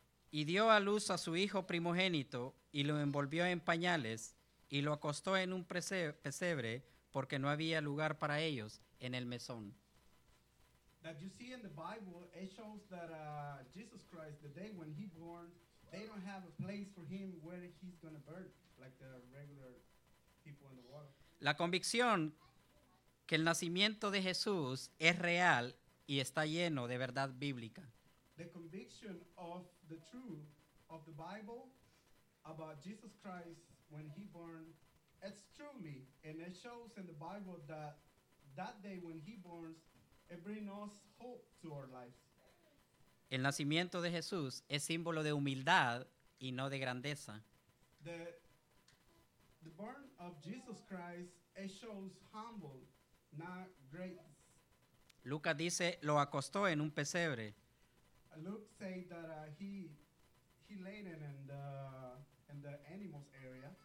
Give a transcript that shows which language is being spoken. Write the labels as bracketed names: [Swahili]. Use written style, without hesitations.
[Spanish] Y dio a luz a su hijo primogénito y lo envolvió en pañales y lo acostó en un pesebre, porque no había lugar para ellos en el mesón. [English] That you see in the Bible, it shows that Jesus Christ, the day when he born, they don't have a place for him where he's going to birth, like the regular people in the world. [Spanish] La convicción que el nacimiento de Jesús es real y está lleno de verdad bíblica. [English] The conviction of the truth of the Bible about Jesus Christ when he born, it's truly, and it shows in the Bible that that day when he born, it brings us hope to our lives. [Spanish] El nacimiento de Jesús es símbolo de humildad y no de grandeza. [English] The birth of Jesus Christ, it shows humble, not great. [Spanish] Lucas dice, lo acostó en un pesebre. [English] Luke said that he laid it in the animals area.